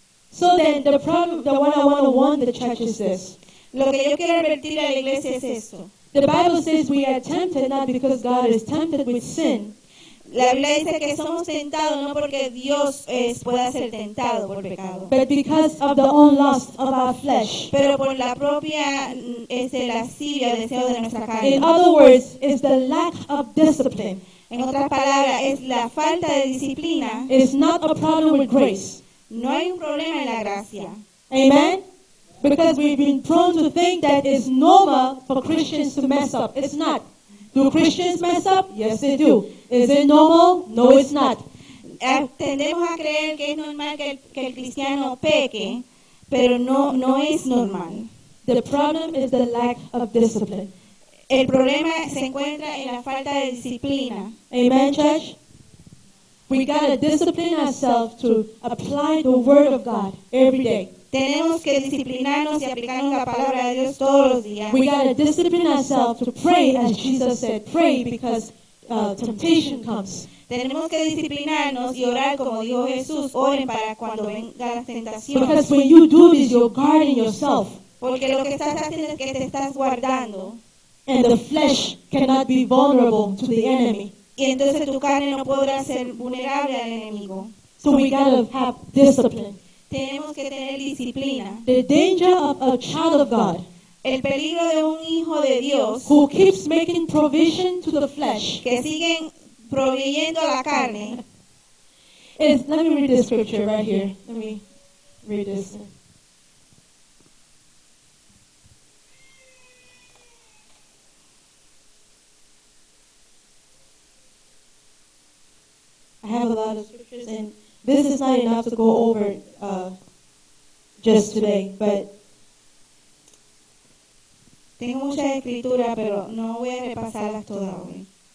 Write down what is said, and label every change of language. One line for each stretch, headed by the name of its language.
English: So then the problem, the one I want to warn the church is this.
Spanish: Lo que yo quiero advertir a la iglesia es esto.
English: The Bible says we are tempted not because God is tempted with sin.
Spanish: La Biblia dice que somos tentados no porque Dios pueda ser tentado por pecado.
English: But because of the own lust of our flesh.
Spanish: Pero por la propia lascivia, deseo de nuestra carne.
English: In other words, it's the lack of discipline.
Spanish: En otras palabras, es la falta de disciplina.
English: It is not a problem with grace.
Spanish: No hay un problema en la gracia.
English: Amen? Because we've been prone to think that it's normal for Christians to mess up. It's not. Do Christians mess up? Yes, they do. Is it normal? No, it's not.
Spanish: Tendemos a creer que es normal que el cristiano peque, pero no es normal.
English: The problem is the lack of discipline.
Spanish: El problema se encuentra en la falta de disciplina.
English: Amen, church? We gotta discipline ourselves to apply the word of God every day.
Spanish: Tenemos que disciplinarnos y aplicar la palabra de Dios todos los días.
English: We gotta discipline ourselves to pray as Jesus said, pray because temptation comes.
Spanish: Tenemos que disciplinarnos y orar como dijo Jesús, oren para cuando venga la tentación.
English: Because when you do this, you're guarding yourself.
Spanish: Porque lo que estás haciendo es que te estás guardando.
English: And the flesh cannot be vulnerable to the enemy.
Spanish: Y entonces tu carne no podrá ser vulnerable al enemigo.
English: So we gotta have discipline.
Spanish: Tenemos que tener disciplina.
English: The danger of a child of God.
Spanish: El peligro de un hijo de Dios.
English: Who keeps making provision to the flesh.
Spanish: Que siguen proveyendo a la carne.
English: Is, let me read this scripture right here. Let me read this. I have a lot of scriptures, and this is not enough to go over just today, but
Spanish: tengo mucha escritura, pero no voy a repasarlas todas hoy.